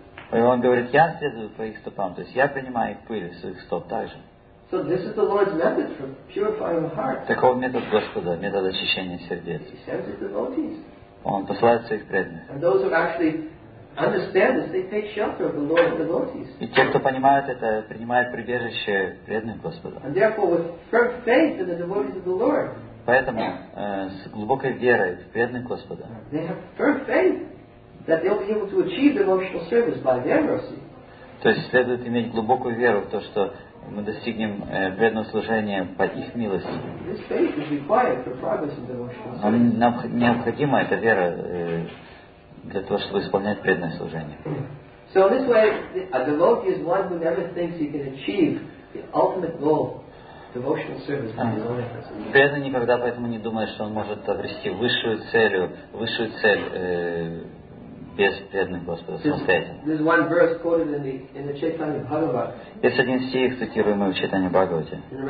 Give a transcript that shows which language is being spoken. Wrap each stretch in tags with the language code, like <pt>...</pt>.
<ru>И он говорит, я следую по их стопам, то есть я принимаю их пыль из своих стоп также.</ru> <en>So this is the Lord's method for purifying the heart.</en> <ru>Такой метод Господа, метод очищения сердец.</ru> <en>He sends his devotees.</en> <ru>Он посылает своих преданных.</ru> <en>And those who actually understand this, they take shelter of the Lord's devotees.</en> <ru>И те, кто понимают это, принимают прибежище преданных Господа.</ru> <en>And therefore, with firm faith in the devotees of the Lord.</en> <ru>Поэтому с глубокой верой в преданных Господа.</ru> <en>They have firm faith. That they'll be able to achieve devotional service by their mercy.</en> <ru>То есть следует иметь глубокую веру в то, что мы достигнем преданного служения по их милости.</ru> <en>This faith is required for progress in devotional service.</en> <ru>Нам необходима эта вера для того, чтобы исполнять преданное служение.</ru> <en>So in this way, a devotee is one who never thinks he can achieve the ultimate goal.</en> <ru>Преданный никогда поэтому не думает, что он может обрести высшую цель без преданных Господа, самостоятельно. Есть один стих, цитируемый в Чайтанья Бхагавате.</ru>